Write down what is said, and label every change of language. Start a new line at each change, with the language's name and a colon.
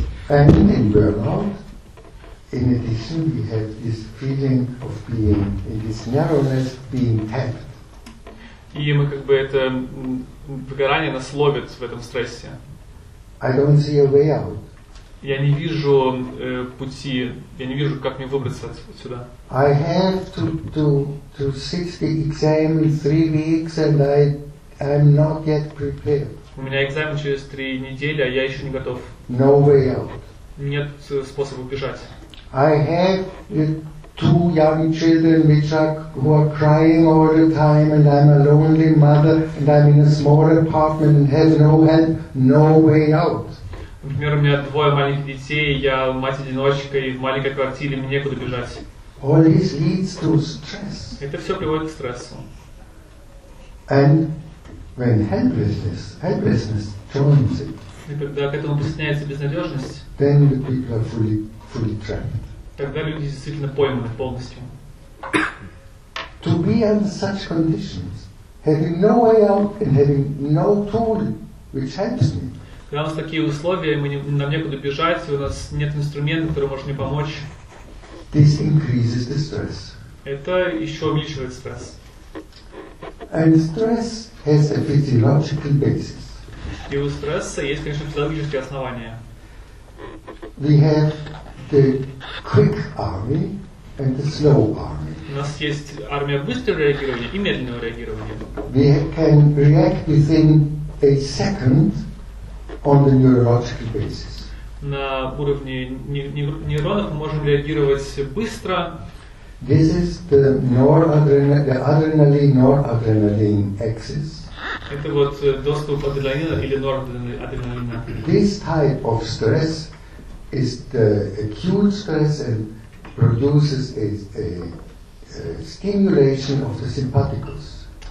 English: And in burnout, in addition, we have this feeling of being in this narrowness, being tapped.
Russian: И мы как бы это выгорание нас ловит в этом стрессе.
English: I don't see a way out.
Russian: Я не вижу пути. Я не вижу, как мне выбраться отсюда.
English: I have to sit the exam in 3 weeks, and I'm not yet prepared.
Russian: У меня экзамен через 3 недели, а я еще не готов.
English: No way out.
Russian: Нет способа убежать.
English: I have 2 young children who are crying all the time, and I'm a lonely mother, and I'm in a small apartment and have no help. No way out.
Russian: Например, у меня 2 маленьких детей, я мать-одиночка и в маленькой квартире, мне некуда бежать.
English: All this leads to stress.
Russian: Это все приводит к стрессу.
English: And when helplessness joins it.
Russian: И когда к этому присоединяется безнадежность,
English: then the people are fully trapped.
Russian: Тогда люди действительно пойманы полностью.
English: To be in such conditions, having no way out and having no tool which helps me.
Russian: Когда у нас такие условия, нам некуда бежать, у нас нет инструмента, который может мне помочь.
English: This increases the stress.
Russian: Это еще увеличивает стресс.
English: And stress has a physiological basis.
Russian: И у стресса есть, конечно, физиологические основания.
English: We have the quick army and the slow army.
Russian: У нас есть армия быстрого реагирования и медленного реагирования.
English: We can react within a second on the neurological basis.
Russian: На уровне нейронов мы можем реагировать быстро.
English: This is the noradrenaline axis.
Russian: Это вот доступ адреналина или норадреналина.
English: This type of stress is the acute stress and produces a stimulation of the sympathicus.